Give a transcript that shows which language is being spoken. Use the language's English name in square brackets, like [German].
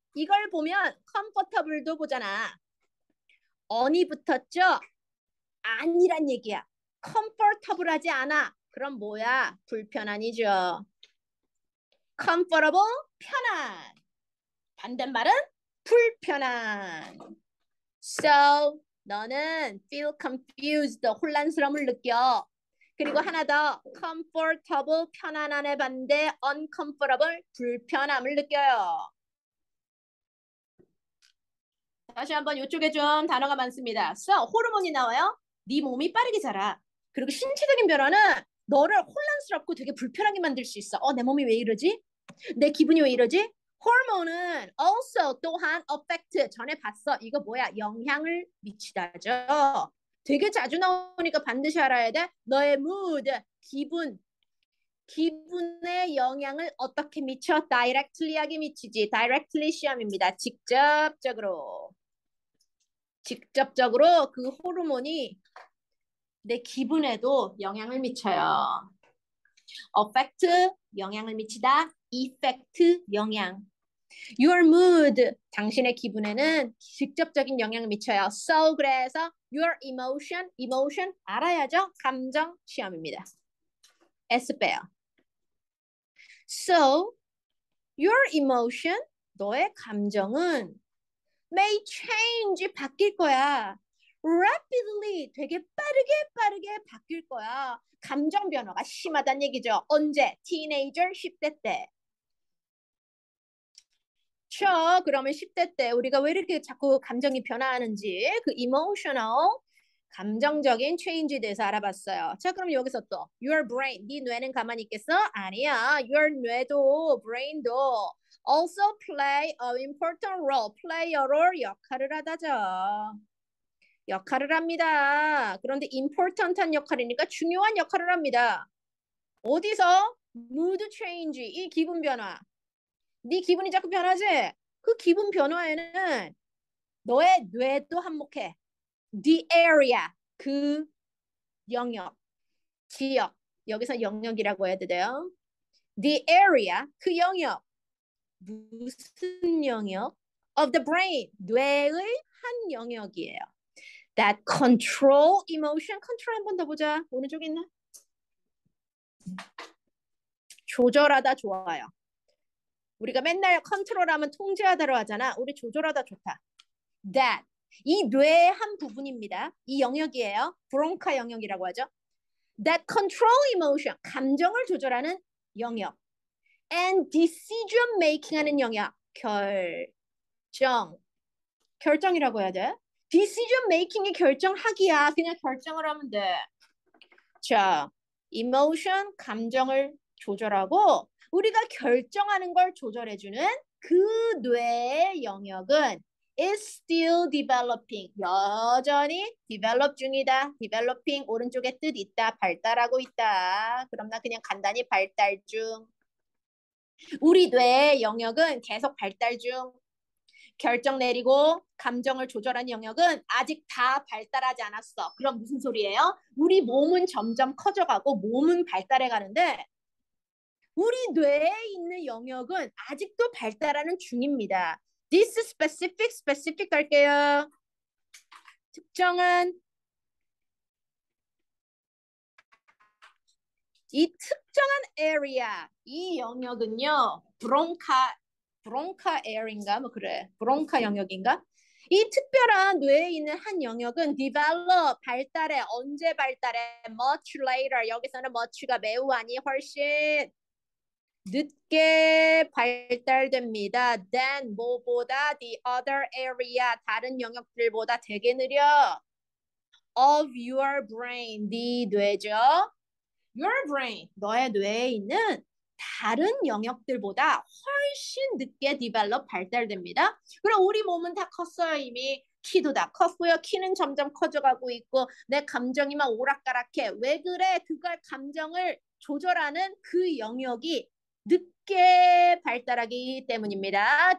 [Korean] 이걸 보면 comfortable도 보잖아. on이 붙었죠? 아니란 얘기야. comfortable 하지 않아. 그럼 뭐야? 불편한이죠. comfortable, 편한. 반대말은 불편한. [English] so [Korean] 너는 [English] feel confused. [Korean] 혼란스러움을 느껴. 그리고 하나 더, comfortable, 편안함의 반대, uncomfortable, 불편함을 느껴요. 다시 한번 이쪽에 좀 단어가 많습니다. So, 호르몬이 나와요. 네 몸이 빠르게 자라. 그리고 신체적인 변화는 너를 혼란스럽고 되게 불편하게 만들 수 있어. 내 몸이 왜 이러지? 내 기분이 왜 이러지? 호르몬은 also 또한 affect, 전에 봤어. 이거 뭐야? 영향을 미치다죠. 되게 자주 나오니까 반드시 알아야 돼. 너의 mood, 기분. 기분의 영향을 어떻게 미쳐? directly하게 미치지. directly 시험입니다. 직접적으로. 직접적으로 그 호르몬이 내 기분에도 영향을 미쳐요. affect, 영향을 미치다. effect, 영향. [English] Your mood, [Korean] 당신의 기분에는 직접적인 영향을 미쳐요. [English] So, [Korean] 그래서 [English] your emotion, [Korean] 알아야죠? 감정 시험입니다. S 빼요. [English] So, your emotion, [Korean] 너의 감정은 [English] may change, [Korean] 바뀔 거야. Rapidly, 되게 빠르게 바뀔 거야. 감정 변화가 심하단 얘기죠. 언제? Teenager, 10대 때. 그렇죠. 그러면 10대 때 우리가 왜 이렇게 자꾸 감정이 변화하는지 그 emotional 감정적인 change에 대해서 알아봤어요. 자, 그럼 여기서 또 [English] your brain, [Korean] 네 뇌는 가만히 있겠어? 아니야. [English] your 뇌도 brain도 also play a important role, play a role [Korean] 역할을 하다죠. 역할을 합니다. 그런데 important한 역할이니까 중요한 역할을 합니다. 어디서? [English] mood change, [Korean] 이 기분 변화. 네 기분이 자꾸 변하지? 그 기분 변화에는 너의 뇌도 한몫해. [English] The area, [Korean] 그 영역, 지역. 여기서 영역이라고 해야 돼요. [English] The area, [Korean] 그 영역. 무슨 영역? [English] Of the brain, [Korean] 뇌의 한 영역이에요. [English] That control emotion. [Korean] control 한번더 보자. 어느 쪽에 있나? 조절하다 좋아요. 우리가 맨날 컨트롤하면 통제하다로 하잖아. 우리 조절하다 좋다. That. 이 뇌의 한 부분입니다. 이 영역이에요. 브론카 영역이라고 하죠. [English] That control emotion. [Korean] 감정을 조절하는 영역. [English] And decision making [Korean] 하는 영역. 결정. 결정이라고 해야 돼. [English] Decision making [Korean] 이 결정하기야. 그냥 결정을 하면 돼. 자, emotion. 감정을 조절하고 우리가 결정하는 걸 조절해주는 그 뇌의 영역은 [English] is still developing. [Korean] 여전히 [English] develop [Korean] 중이다. developing 오른쪽에 뜻 있다. 발달하고 있다. 그럼 나 그냥 간단히 발달 중. 우리 뇌의 영역은 계속 발달 중. 결정 내리고 감정을 조절하는 영역은 아직 다 발달하지 않았어. 그럼 무슨 소리예요? 우리 몸은 점점 커져가고 몸은 발달해 가는데 우리 뇌에 있는 영역은 아직도 발달하는 중입니다. [English] This is specific [Korean] 할게요. 특정한 이 특정한 area, 이 영역은요, 브롱카 에어인가 뭐 그래, 브롱카 영역인가? 이 특별한 뇌에 있는 한 영역은 develop 발달해. 언제 발달해? [English] Much later. [Korean] 여기서는 much가 매우 아니 훨씬 늦게 발달됩니다. Then 뭐보다 [English] the other area [Korean] 다른 영역들보다 되게 느려. [English] Of your brain, [Korean] 네 뇌죠. Your brain, 너의 뇌에 있는 다른 영역들보다 훨씬 늦게 디벨롭 발달됩니다. 그럼 우리 몸은 다 컸어요, 이미. 키도 다 컸고요. 키는 점점 커져가고 있고 내 감정이 막 오락가락해. 왜 그래? 그걸 감정을 조절하는 그 영역이 늦게 발달하기 때문입니다.